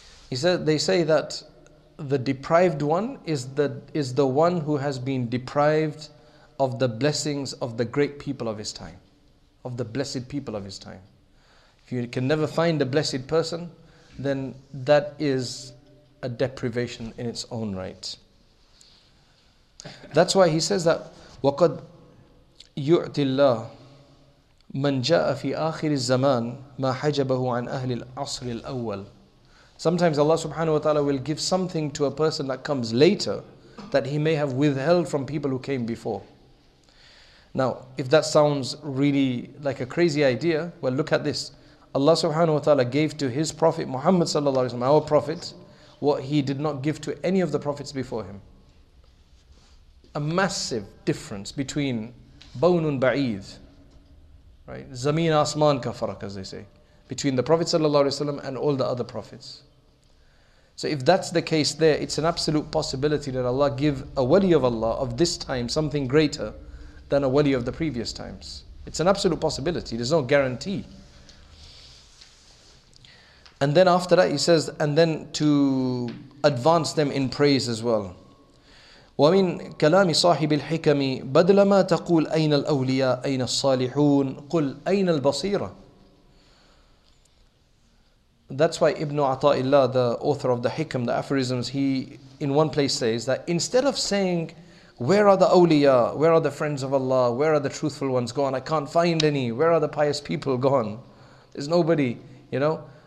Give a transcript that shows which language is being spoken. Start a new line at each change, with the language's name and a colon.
English: He said, they say that the deprived one is the one who has been deprived of the blessings of the great people of his time, of the blessed people of his time. If you can never find a blessed person, then that is a deprivation in its own right. That's why he says that
Arabic: وَقَدْ يُعْتِ اللَّهِ مَنْ جَاءَ فِي آخِرِ الزَّمَانِ مَا حَجَبَهُ عَنْ أَهْلِ الْعَصْرِ الْأَوَّلِ.
English: Sometimes Allah subhanahu wa ta'ala will give something to a person that comes later that he may have withheld from people who came before. Now, if that sounds really like a crazy idea, well, look at this. Allah subhanahu wa ta'ala gave to his prophet Muhammad sallallahu alayhi wa sallam, our prophet, what he did not give to any of the prophets before him. A massive difference between bawnun ba'id, right?
Urdu: Zameen asman ka farak,
English: as they say, between the Prophet sallallahu alaihi wasallam and all the other prophets. So if that's the case there, it's an absolute possibility that Allah give a wali of Allah of this time something greater than a wali of the previous times. It's an absolute possibility, there's no guarantee. And then after that, he says, and then to advance them in praise as well.
Arabic: ومن كلام صاحب الحكم بدل ما تقول أين الأولياء أين الصالحون قل أين البصيرة.
English: That's why Ibn Ata'illah, the author of the Hikam, the aphorisms, he in one place says that instead of saying, where are the awliya, where are the friends of Allah, where are the truthful ones gone, I can't find any, where are the pious people gone, there's nobody, you know.